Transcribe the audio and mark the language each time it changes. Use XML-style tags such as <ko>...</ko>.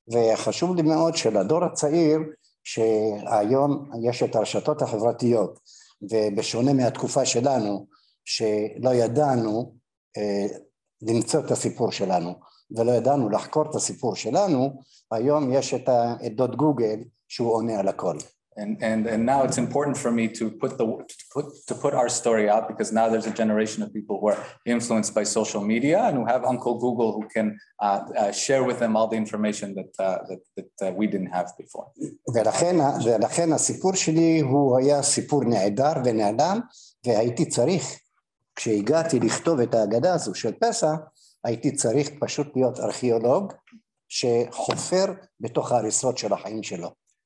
<he>וחשוב לי מאוד שלדור הצעיר שהיום יש את הרשתות החברתיות, ובשונה מהתקופה שלנו, שלא ידענו למצוא את הסיפור שלנו, ולא ידענו לחקור את הסיפור שלנו, היום יש את דוד גוגל שהוא עונה על הכל.</he> <en>And now it's important for me to put our story out, because now there's a generation of people who are influenced by social media and who have Uncle Google who can share with them all the information that we didn't have before.</en> <he>ולכן הסיפור שלי הוא היה סיפור נהדר ונעלם, והייתי צריך, כשהגעתי לכתוב את ההגדה הזו של פסח, הייתי צריך פשוט להיות ארכיאולוג שחופר בתוך ההריסות של החיים שלו.</he>